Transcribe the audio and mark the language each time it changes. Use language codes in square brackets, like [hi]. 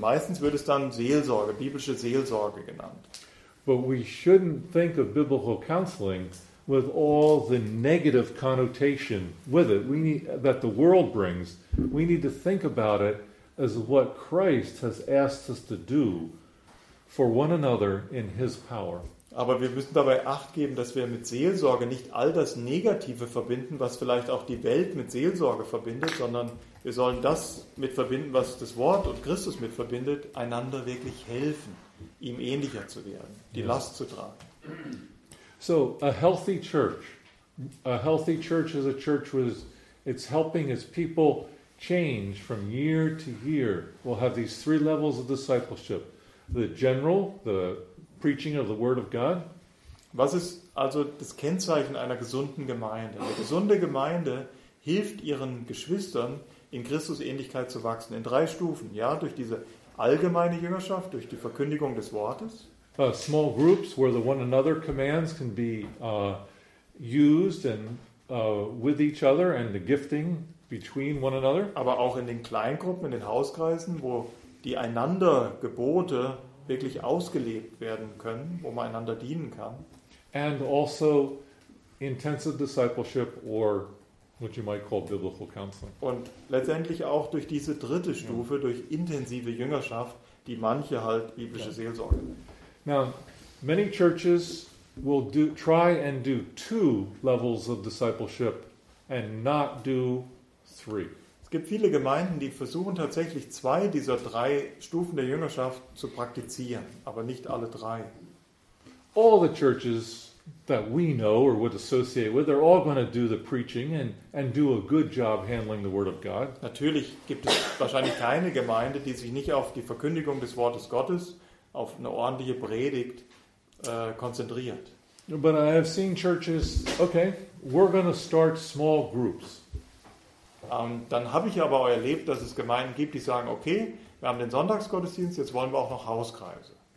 [de] Meistens wird es dann Seelsorge, biblische Seelsorge genannt. [en] But we shouldn't think of biblical counseling with all the negative connotation with it, that the world brings. We need to think about it as what Christ has asked us to do for one another in his power. [de] Aber wir müssen dabei Acht geben, dass wir mit Seelsorge nicht all das Negative verbinden, was vielleicht auch die Welt mit Seelsorge verbindet, sondern wir sollen das mit verbinden, was das Wort und Christus mit verbindet, einander wirklich helfen, ihm ähnlicher zu werden, die Last zu tragen. [en] So a healthy church is a church where it's helping its people change from year to year. We'll have these three levels of discipleship: the general, the preaching of the word of God. [de] Was ist also das Kennzeichen einer gesunden Gemeinde? Eine gesunde Gemeinde hilft ihren Geschwistern, in Christus Ähnlichkeit zu wachsen, in drei Stufen, ja, durch diese allgemeine Jüngerschaft durch die Verkündigung des Wortes. [en] Small groups where the one another commands can be used and with each other and the gifting between one another. [de] Aber auch in den Kleingruppen, in den Hauskreisen, wo die einander Gebote wirklich ausgelebt werden können, wo man einander dienen kann. [en] And also intensive discipleship or what you might call biblical counseling. [de] Und letztendlich auch durch diese dritte Stufe, durch intensive Jüngerschaft, die manche halt biblische Seelsorge. [en] Now, many churches will do, try and do two levels of discipleship and not do three. [de] Es gibt viele Gemeinden, die versuchen tatsächlich zwei dieser drei Stufen der Jüngerschaft zu praktizieren, aber nicht alle drei. [en] All the churches that we know or would associate with, they're all going to do the preaching and do a good job handling the Word of God. [de] Natürlich gibt es wahrscheinlich keine Gemeinde, die sich nicht auf die Verkündigung des Wortes Gottes, auf eine ordentliche Predigt konzentriert. [en] But I have seen churches, okay, we're going to start small groups. [de] Und dann habe ich aber auch erlebt, dass es Gemeinden gibt, die sagen, okay, wir haben den Sonntagsgottesdienst, jetzt wollen wir auch noch Hauskreise.